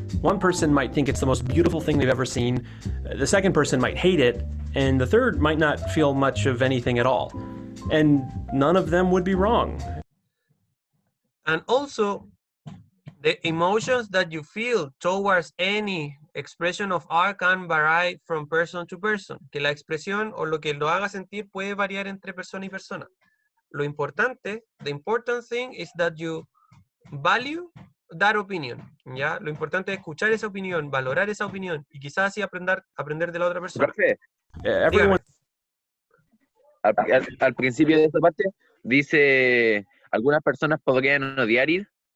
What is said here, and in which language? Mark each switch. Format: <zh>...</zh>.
<en>One person might think it's the most beautiful thing they've ever seen, the second person might hate it, and the third might not feel much of anything at all. And none of them would be wrong. And also, the emotions that you feel towards any expression of art can vary from person to person.</en> <es>Que la expresión o lo que lo haga sentir puede variar entre persona y persona. Lo importante,</es> <en>the important thing is that you value that opinion.</en> <es>¿Ya? Lo importante es escuchar esa opinión, valorar esa opinión y quizás así aprender de la otra persona. Al principio de esta parte dice, algunas personas podrían odiar ir.</es>